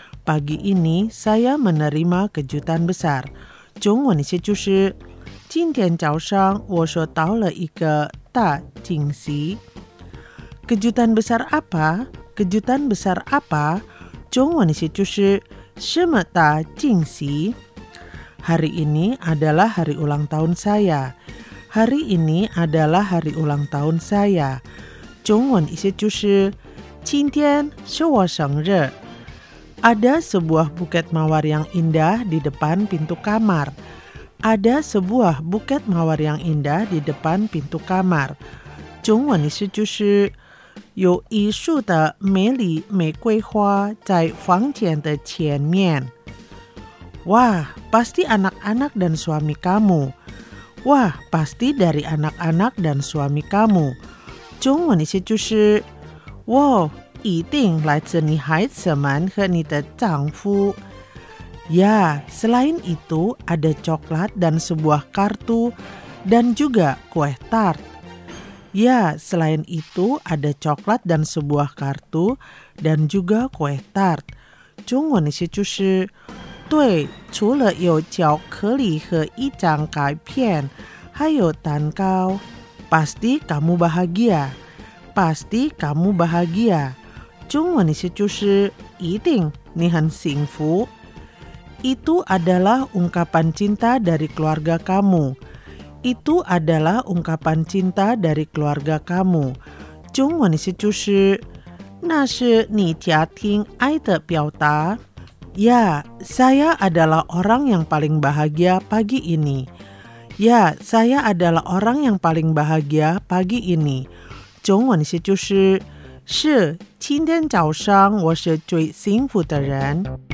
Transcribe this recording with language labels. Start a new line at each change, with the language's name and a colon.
Indonesian: Pagi ini saya menerima kejutan besar.
Chinese: 中文的意思就是今天早上我收到了一个大惊喜。
Indonesian: Kejutan besar apa? Kejutan besar apa?
Chinese: 中文的意思就是什么大惊喜。
Indonesian: Hari ini adalah hari ulang tahun saya. Hari ini adalah hari ulang tahun saya.
Chinese: 中文意思就是今天是我生日。
Indonesian: Ada sebuah buket mawar yang indah di depan pintu kamar. Ada sebuah buket mawar yang indah di depan pintu kamar.
Chinese: 中文意思就是有一束的美丽玫瑰花在房间的前面。
Indonesian: Wah, pasti anak-anak dan suami kamu. Wah, pasti dari anak-anak dan suami kamu.
Chinese: 中文的意思就是 Wow, 一定来自你孩子们和你的丈夫。
Indonesian: Ya, selain itu ada coklat dan sebuah kartu dan juga kue tart. Ya, selain itu ada coklat dan sebuah kartu dan juga kue tart.
Chinese: 中文的意思就是对，除了有巧克力和一张卡片，还有蛋糕。
Indonesian: Pasti kamu bahagia. Pasti kamu bahagia.
Chinese: 中文意思就是一定你很幸福。
Indonesian: Itu adalah ungkapan cinta dari keluarga kamu. Itu adalah ungkapan cinta dari keluarga kamu.
Chinese: 中文意思就是那是你家庭爱的表达。
Indonesian: Ya, saya adalah orang yang paling bahagia pagi ini. Ya, saya adalah orang yang paling bahagia pagi ini.
Chinese: 中文意思就是是今天早上我是最幸福的人。